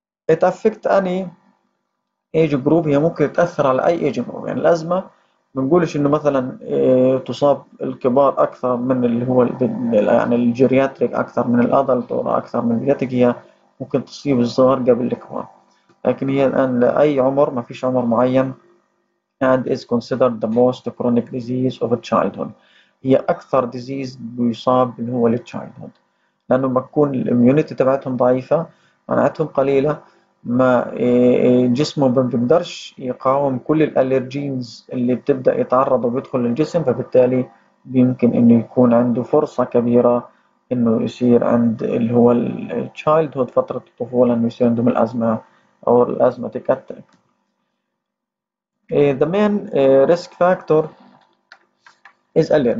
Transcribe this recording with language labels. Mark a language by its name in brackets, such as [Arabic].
[English] it affect any age group, [Arabic] هي ممكن تاثر على اي ايج جروب، يعني الازمه ما بنقولش انه مثلا تصاب الكبار اكثر من اللي هو يعني الجيرياتريك اكثر من الادلت، او اكثر من الجيرياتريك، هي ممكن تصيب الصغار قبل الكبار، لكن هي الان لاي عمر، ما فيش عمر معين. [English] And is considered the most chronic disease of childhood. [Arabic] هي أكثر disease بيصاب اللي هو للchildhood. لأنه ما تكون الإميونيتي تبعتهم ضعيفة، مناعتهم قليلة، ما جسمه ما بيقدرش يقاوم كل الأليرجينز اللي بتبدأ يتعرض وبيدخل للجسم، فبالتالي يمكن إنه يكون عنده فرصة كبيرة إنه يصير عند اللي هو الchildhood، فترة الطفولة، إنه يصير عندهم الأزمة أو الأزمة تكتل. [English] The main risk factor is allergy.